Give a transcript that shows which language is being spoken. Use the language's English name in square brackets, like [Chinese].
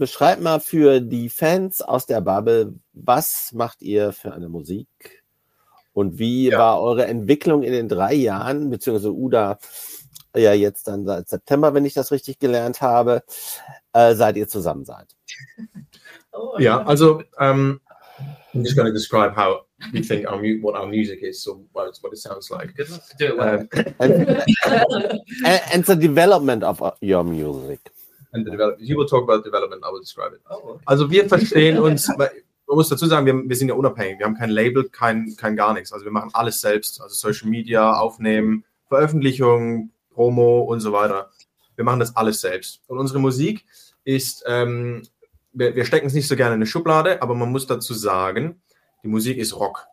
[German] Beschreibt mal für die Fans aus der Bubble, was macht ihr für eine Musik? Und wie war eure Entwicklung in den 3 Jahren, beziehungsweise Uda, ja jetzt dann seit September, wenn ich das richtig gelernt habe, seit ihr zusammen seid? Ja, also [English] I'm just going to describe how we think what our music is, so what it sounds like. And the development of your music. And the development. You will talk about development, I will describe it. Oh, okay. [German] Also wir verstehen uns... Man muss dazu sagen, wir sind ja unabhängig. Wir haben kein Label, kein gar nichts. Also wir machen alles selbst. Also Social Media, Aufnehmen, Veröffentlichung, Promo und so weiter. Wir machen das alles selbst. Und unsere Musik ist, wir stecken es nicht so gerne in eine Schublade, aber man muss dazu sagen, die Musik ist Rock.